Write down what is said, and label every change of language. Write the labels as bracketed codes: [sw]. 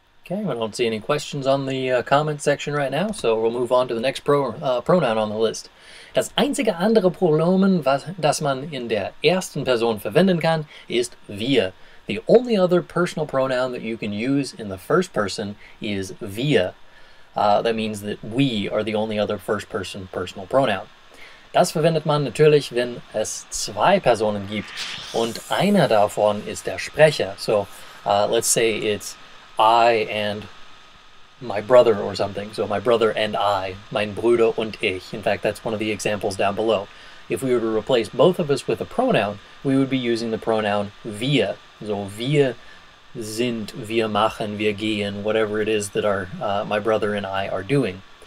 [en] Okay, I don't see any questions on the comment section right now, so we'll move on to the next pronoun on the list. [de] Das einzige andere Pronomen, das man in der ersten Person verwenden kann, ist wir. [en] The only other personal pronoun that you can use in the first person is wir. That means that we are the only other first person personal pronoun. [de] Das verwendet man natürlich, wenn es zwei Personen gibt und einer davon ist der Sprecher. [en] So, let's say it's I and my brother or something. So my brother and I, [de] mein Bruder und ich. [en] In fact, that's one of the examples down below. If we were to replace both of us with a pronoun, we would be using the pronoun wir. So [de] wir sind, wir machen, wir gehen, [en] whatever it is that our my brother and I are doing.